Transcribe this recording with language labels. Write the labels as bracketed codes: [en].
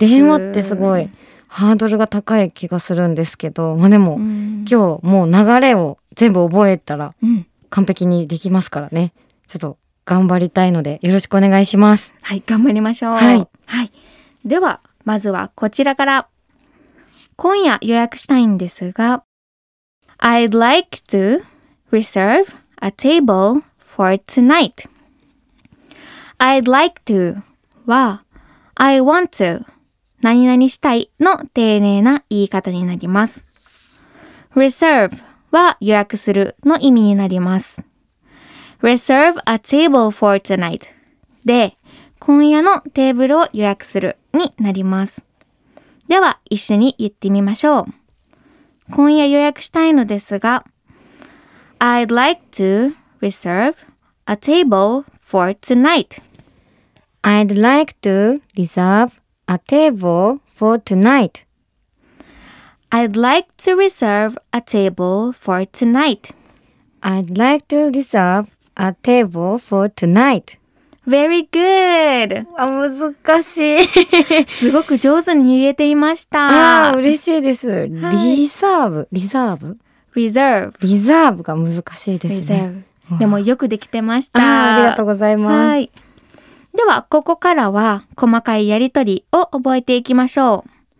[ja] 電話ってすごいハードルが高い気がするんですけど、まあでも今日もう流れを全部覚えたら完璧にできますからね。ちょっと頑張りたいのでよろしくお願いします。はい、頑張りましょう。はい、はい、ではまずはこちらから。今夜予約したいんですが、 [en] I'd like to reserve a table for tonight. I'd like to [ja] は [en] I want to [ja] 何々したいの丁寧な言い方になります。 reserve は予約するの意味になります。 [en] Reserve a table for tonight. [ja] で、今夜のテーブルを予約するになります。では、一緒に言ってみましょう。今夜予約したいのですが、 [en] I'd like to reserve a table for tonight. I'd like to reserve a table for tonight. I'd like to reserve a table for tonight. I'd like to reserve a table for tonight. Very good! [ja] あ、難しい。すごく上手に言えていました。ああ、嬉しいです。リザーブ、リザーブ？リザーブ。リザーブが難しいですね。リザーブ。でもよくできてました。ありがとうございます。はい、では、ここからは細かいやりとりを覚えていきましょう。